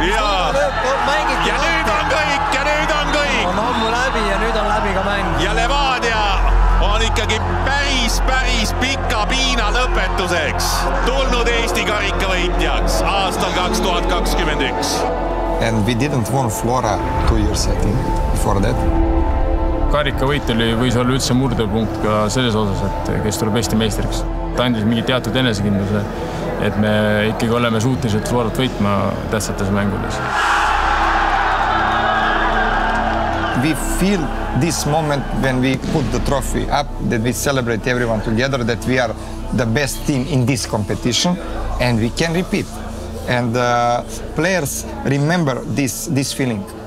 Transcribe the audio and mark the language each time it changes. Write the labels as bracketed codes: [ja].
[et] mis lööb, mängiti. Ja nüüd on kõik, ja nüüd on kõik! On ammu läbi ja nüüd on läbi ka mäng. Ja Levadia on ikkagi päris pika piina lõpetuseks. Tulnud Eesti karika võitjaks aastal 2021. [en] And we didn't want Flora 2 years, I think, before that. [et] Karika võit oli võis olla üldse murdepunkt ka selles osas, et kes tuleb Eesti meistriks. Ta andis mingi teatud enesekindluse, et me ikkagi oleme suutiselt Floralt võitma tähtsates mängudes. [en] We feel this moment when we put the trophy up, that we celebrate everyone together, that we are the best team in this competition and we can repeat. And players remember this feeling.